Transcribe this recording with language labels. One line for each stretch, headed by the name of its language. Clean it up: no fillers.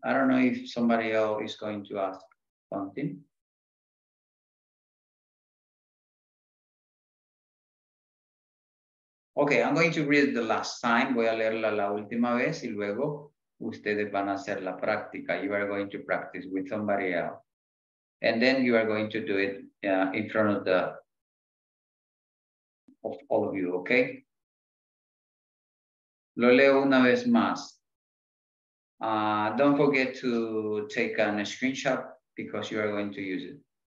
English: I don't know if somebody else is going to ask something. Okay, I'm going to read the last time.
Spanish: Voy a leerla la última vez y luego ustedes van a hacer la práctica.
English: You are going to practice with somebody else. And then you are going to do it in front of all of you, okay?
Spanish: Lo leo una vez más.
English: Don't forget to take a screenshot because you are going to use it.